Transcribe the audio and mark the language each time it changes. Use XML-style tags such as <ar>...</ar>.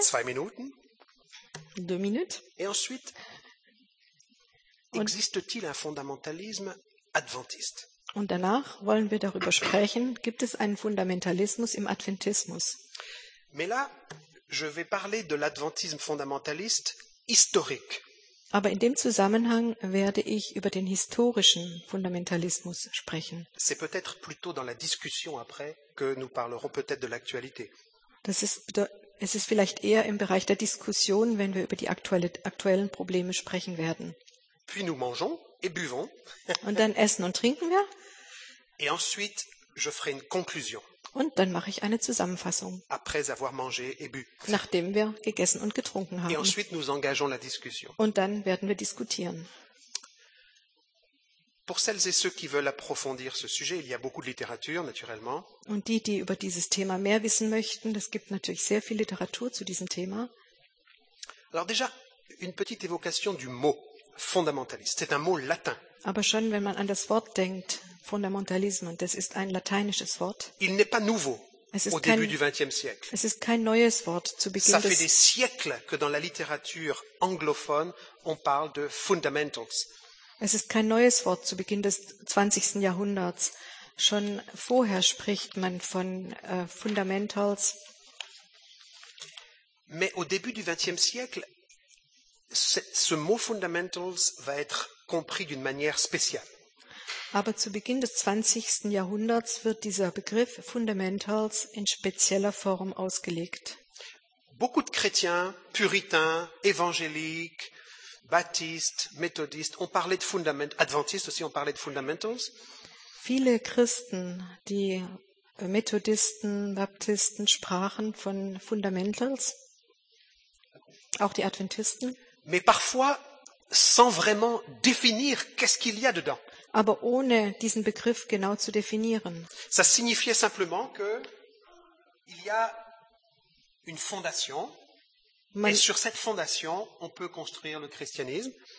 <de>2 Minuten. 2 Minuten.</de> <fr>Et ensuite, existe-t-il un fondamentalisme adventiste?</fr> <de>Und danach wollen wir darüber sprechen, gibt es einen Fundamentalismus im Adventismus?</de> <fr>Mais là, je vais parler de l'adventisme fondamentaliste historique.</fr> <de>Aber in dem Zusammenhang werde ich über den historischen Fundamentalismus sprechen.</de> <fr>C'est peut-être plutôt dans la discussion après que nous parlerons peut-être de l'actualité.</fr> <de>Es ist vielleicht eher im Bereich der Diskussion, wenn wir über die aktuellen Probleme sprechen werden.</de> <fr>Puis nous mangeons et buvons.</fr> <de>Und dann essen und trinken wir.</de> <fr>Et ensuite, je ferai une conclusion.</fr> <de>Und dann mache ich eine Zusammenfassung.</de> <fr>Après avoir mangé et bu.</fr> <de>Nachdem wir gegessen und getrunken haben.</de> <fr>Et ensuite, nous engageons la discussion.</fr> <de>Und dann werden wir diskutieren.</de> <fr>Pour celles et ceux qui veulent approfondir ce sujet, il y a beaucoup de littérature, naturellement.</fr> <de>Und die, die über dieses Thema mehr wissen möchten, es gibt natürlich sehr viel Literatur zu diesem Thema.</de> <fr>Alors déjà, une petite évocation du mot. Fondamentalisme, c'est un mot latin.</fr> <de>Aber schon wenn man an das Wort denkt, Fundamentalismus, das ist ein lateinisches Wort.</de> <fr>Il n'est pas nouveau au début du 20e siècle.</fr> <de>Es ist kein neues Wort zu Beginn.</de> <fr>Ça fait des siècles que dans la littérature anglophone, on parle de fundamentals.</fr> <de>Es ist kein neues Wort zu Beginn des 20. Jahrhunderts. Schon vorher spricht man von fundamentals.</de> <fr>Mais au début du 20e siècle, ce mot fundamentals va être compris d'une manière spéciale.</fr> <de>Aber zu Beginn des 20. Jahrhunderts wird dieser Begriff fundamentals in spezieller Form ausgelegt.</de> <fr>Beaucoup de chrétiens, puritains, évangéliques, baptistes, méthodistes ont parlé de fundamentals, adventistes aussi ont parlé de fundamentals.</fr> <de>Viele Christen, die Methodisten, Baptisten sprachen von fundamentals. Auch die Adventisten.</de> <fr>Mais parfois sans vraiment définir qu'est-ce qu'il y a dedans.</fr> <de>Aber ohne diesen Begriff genau zu definieren.</de> <fr>Ça signifiait simplement que il y a une fondation et sur cette fondation on peut construire le christianisme.</fr>